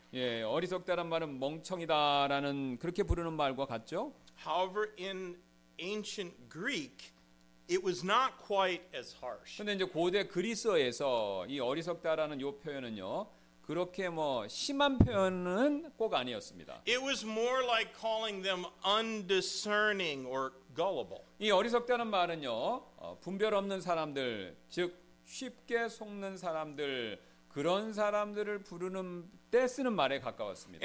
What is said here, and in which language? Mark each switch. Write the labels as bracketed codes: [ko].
[ko] 예, 어리석다란 말은 멍청이다라는 그렇게 부르는 말과 같죠? [en] However, in ancient Greek, it was not quite as harsh. [ko] 근데 이제 고대 그리스어에서 이 어리석다라는 요 표현은요. 그렇게 뭐 심한 표현은 꼭 아니었습니다. [en] It was more like calling them undiscerning or gullible. [ko] 이 어리석다는 말은요. 분별 없는 사람들, 즉 쉽게 속는 사람들 그런 사람들을 부르는 때 쓰는 말에 가까웠습니다.